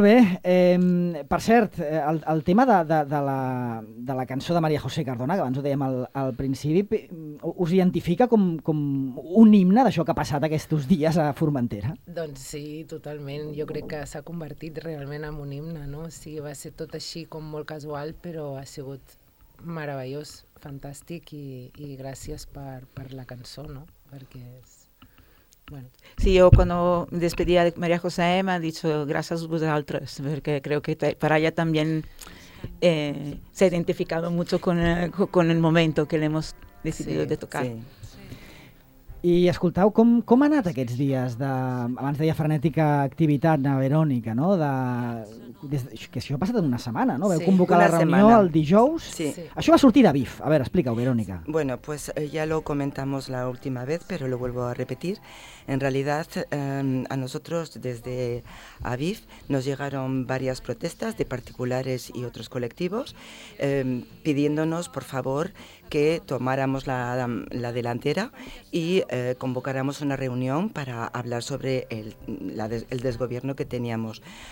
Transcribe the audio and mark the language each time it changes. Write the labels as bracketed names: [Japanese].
[Catalan] bé, per cert, el tema de la cançó de Maria José Cardona, que abans ho dèiem al principi, us identifica com un himne d'això que ha passat aquests dies a Formentera? Doncs sí, totalment, jo crec que s'ha convertit realment en un himne, no? O sigui, va ser tot així com molt casual, però ha sigut meravellós, fantàstic, i gràcies per la cançó, no? Perquè és... Bueno. [Spanish] Sí, yo cuando despedí a María José me ha dicho gracias a vosotros, porque creo que para ella también se ha identificado mucho con el momento que le hemos decidido, sí, de tocar. Sí. [Catalan] I escoltau, com ha anat aquests dies de, abans deia, frenètica activitat a Verònica, no? Que això ha passat en una setmana, no? Veu, sí, convocar la reunió [Spanish] semana. [Catalan] El dijous. Sí. Sí. Això va sortir de BIF. A veure, explica-ho, Verònica. [Spanish] Bueno, pues ya lo comentamos la última vez, pero lo vuelvo a repetir. En realidad, a nosotros desde ABIF nos llegaron varias protestas de particulares y otros colectivos pidiéndonos, por favor, que tomáramos la delantera y convocáramos una reunión para hablar sobre el desgobierno que teníamos.